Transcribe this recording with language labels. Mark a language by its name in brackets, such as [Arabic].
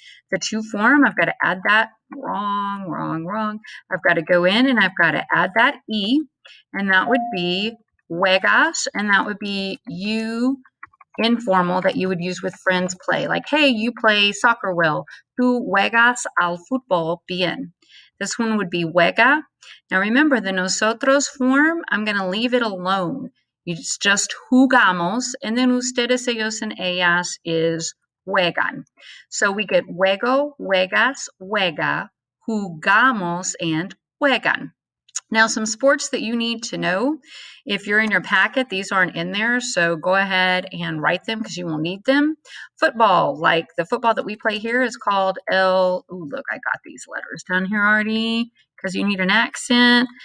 [English] The two form, I've got to add that, wrong, wrong, wrong. I've got to go in and I've got to add that E, and that would be juegas, and that would be you. Informal that you would use with friends play. Like, hey, you play soccer well. [Spanish] Tú juegas al fútbol bien. [English] This one would be juega. Now remember the nosotros form, I'm going to leave it alone. It's just jugamos, and then ustedes, ellos, and ellas is juegan. So we get juego, juegas, juega, jugamos, and juegan. Now, some sports that you need to know. If you're in your packet, these aren't in there, so go ahead and write them because you will need them. Football, like the football that we play here, is called L. Ooh, look, I got these letters down here already because you need an accent.